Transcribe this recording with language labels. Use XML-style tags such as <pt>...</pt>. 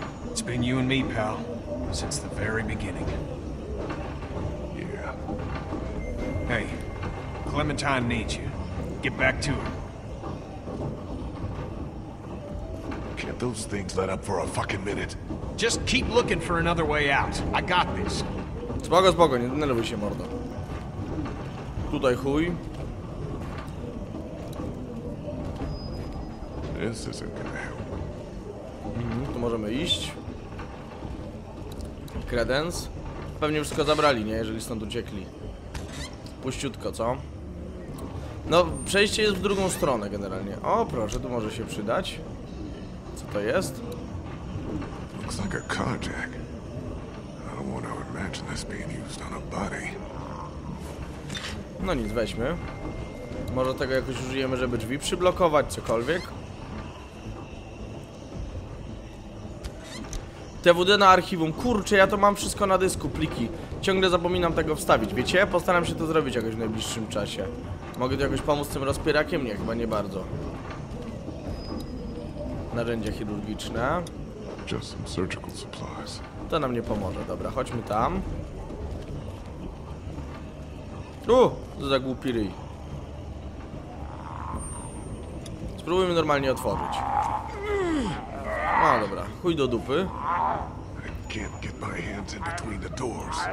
<en>It's been you and me, pal, since the very beginning. Yeah. Hey. Clementine needs you. Get back to her. Can't those things let up for a fucking minute? Just keep looking for another way out. I got this.</en> <pl>Spoko, spoko, nie denerwuj się, mordo. Tutaj chuj.</pl> <en>This isn't gonna help.</en> <pl>To możemy iść.</pl> <en>Credence.</en> <pl>Pewnie wszystko zabrali, nie? Jeżeli stąd uciekli. Puściutko, co? No, przejście jest w drugą stronę generalnie. O, proszę, tu może się przydać. Co to jest?</pl> <en>Looks like a carjack. I don't want to imagine this being used on a body.</en> <pl>No nic, weźmy. Może tego jakoś użyjemy, żeby drzwi przyblokować, cokolwiek. TWD na archiwum. Kurczę, ja to mam wszystko na dysku, pliki. Ciągle zapominam tego wstawić, wiecie? Postaram się to zrobić jakoś w najbliższym czasie. Mogę tu jakoś pomóc tym rozpierakiem? Nie, chyba nie bardzo. Narzędzia chirurgiczne.</pl> <en>Just some surgical supplies.</en> <pl>To nam nie pomoże. Dobra, chodźmy tam. Co za głupi ryj. Spróbujmy normalnie otworzyć. No dobra, chuj do dupy.</pl> <en>I can't get my hands in between the doors.</en>